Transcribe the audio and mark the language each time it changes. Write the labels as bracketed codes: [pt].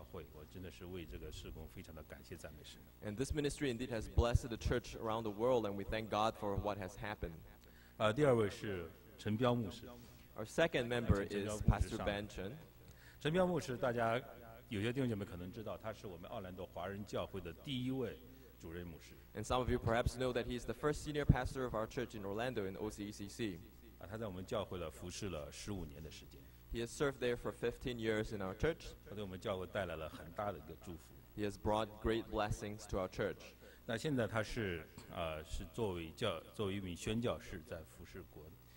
[zh] 所以他的这项事工真的是祝福到全世界各个的教会，我真的是为这个事工非常的感谢赞美神。 [en] And this ministry indeed has blessed the church around the world, and we thank God for what has happened. [zh] 第二位是 [en] Our second member is Pastor Ben Chen. [zh] 陈彪牧师，大家有些弟兄姐妹可能知道，他是我们奥兰多华人教会的第一位主任牧师。 [en] And some of you perhaps know that he is the first senior pastor of our church in Orlando in OCECC. [zh] 他在我们教会了服侍了15年的时间。 [en] He has served there for 15 years in our church. [zh] 他对我们教会带来了很大的一个祝福。 [en] He has brought great blessings to our church. [zh] 那现在他是作为一名宣教士在服侍国。